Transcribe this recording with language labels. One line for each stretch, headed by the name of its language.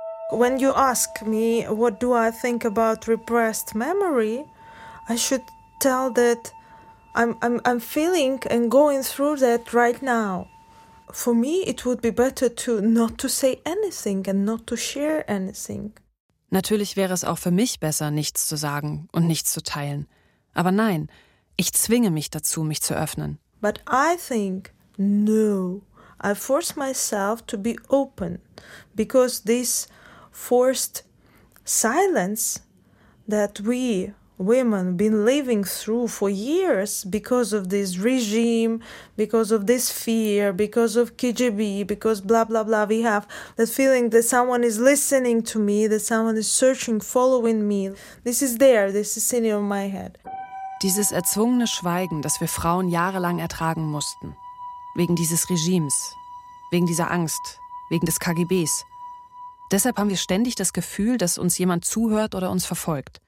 English: When you ask me what do I think about repressed memory, I should tell that I'm feeling and going through that right now. For me, it would be better to not to say anything and not to share anything.
German: Natürlich wäre es auch für mich besser, nichts zu sagen und nichts zu teilen. Aber nein, ich zwinge mich dazu, mich zu öffnen.
English: But I think no. I force myself to be open because this forced silence that we women been living through for years because of this regime, because of this fear, because of KGB, because blah, blah, blah. We have the feeling that someone is listening to me, that someone is searching, following me. This is there, this is sitting in my head.
German: Dieses erzwungene Schweigen, das wir Frauen jahrelang ertragen mussten, wegen dieses Regimes, wegen dieser Angst, wegen des KGBs. Deshalb haben wir ständig das Gefühl, dass uns jemand zuhört oder uns verfolgt.